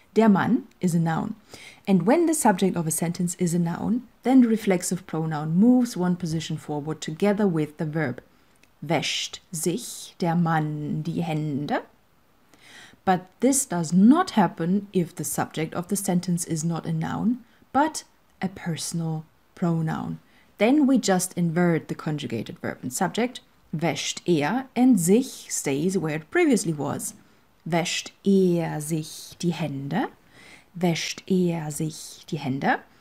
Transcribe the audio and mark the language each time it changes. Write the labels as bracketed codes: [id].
[en] Der Mann is a noun. And when the subject of a sentence is a noun, then the reflexive pronoun moves one position forward together with the verb. [de] Wäscht sich der Mann die Hände. [en] But this does not happen if the subject of the sentence is not a noun, but a personal pronoun. Then we just invert the conjugated verb and subject, [de] wäscht er, [en] and sich stays where it previously was. [de] Wäscht er sich die Hände? Wäscht er sich die Hände?